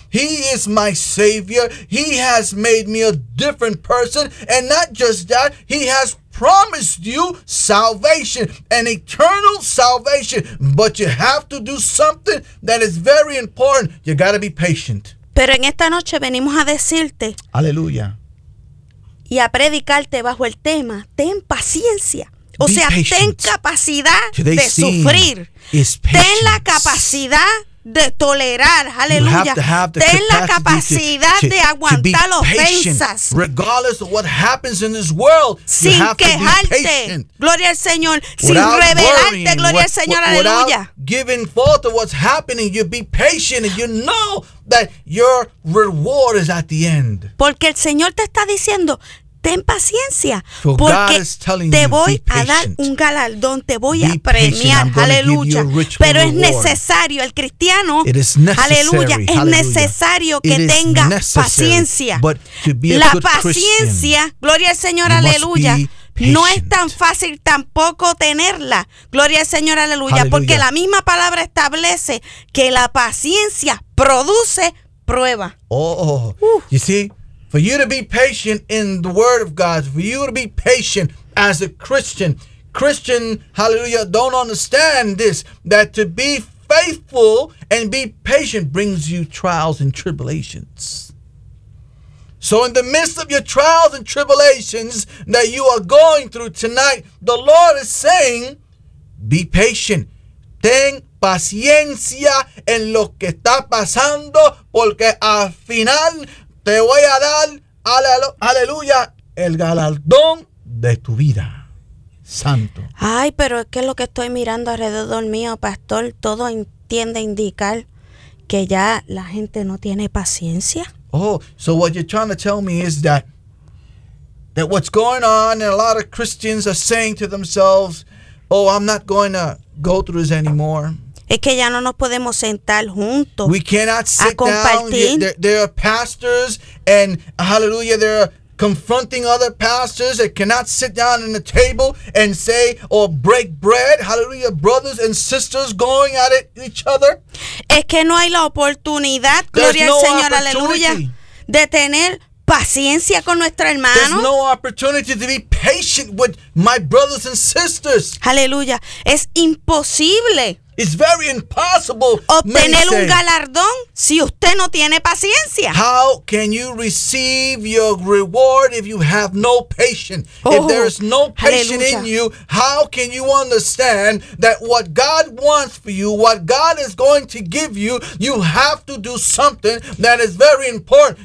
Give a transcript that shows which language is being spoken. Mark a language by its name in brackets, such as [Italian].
[English] He is my Savior. He has made me a different person. And not just that, He has promised you salvation, an eternal salvation. But you have to do something that is very important. You got to be patient. [Spanish] Pero en esta noche venimos a decirte, aleluya, y a predicarte bajo el tema, ten paciencia. O sea, ten capacidad de sufrir. Ten la capacidad de tolerar, aleluya. Ten la capacidad de aguantar ofensas. [English] Regardless of what happens in this world, [Spanish] sin quejarte, gloria al Señor. Sin rebelarte, gloria al Señor, aleluya. [English] Giving fault of what's happening, you be patient and you know that your reward is at the end. [Spanish] Porque el Señor te está diciendo, ten paciencia, porque te voy a dar un galardón, te voy a premiar, aleluya. Pero es necesario, el cristiano, aleluya, es necesario que tenga paciencia. La paciencia, gloria al Señor, aleluya, no es tan fácil tampoco tenerla, gloria al Señor, aleluya, porque la misma palabra establece que la paciencia produce prueba. [English] You see, for you to be patient in the word of God, for you to be patient as a Christian, hallelujah, don't understand this, that to be faithful and be patient brings you trials and tribulations. So in the midst of your trials and tribulations that you are going through tonight, the Lord is saying, be patient. [Spanish] Ten paciencia en lo que está pasando, porque al final te voy a dar, aleluya, el galardón de tu vida, santo. Ay, pero es que lo que estoy mirando alrededor mío, pastor, todo tiende a indicar que ya la gente no tiene paciencia. [English] Oh, so what you're trying to tell me is that what's going on, and a lot of Christians are saying to themselves, oh, I'm not going to go through this anymore. [Spanish] Es que ya no nos podemos sentar juntos. [English] We cannot sit [Spanish] a compartir [English] down. There are pastors, and hallelujah, they're confronting other pastors that cannot sit down in the table and say or break bread. Hallelujah, brothers and sisters going at it, each other. [Spanish] Es que no hay la oportunidad, gloria al Señor, aleluya, de tener paciencia con nuestro hermano. [English] There's no opportunity to be patient with my brothers and sisters. [Spanish] Aleluya, es imposible. [English] It's very impossible. [Spanish] Obtener un galardón si usted no tiene paciencia. [English] How can you receive your reward if you have no patience? Oh, if there is no patience, [Spanish] aleluya, [English] in you, how can you understand that what God wants for you, what God is going to give you, you have to do something that is very important.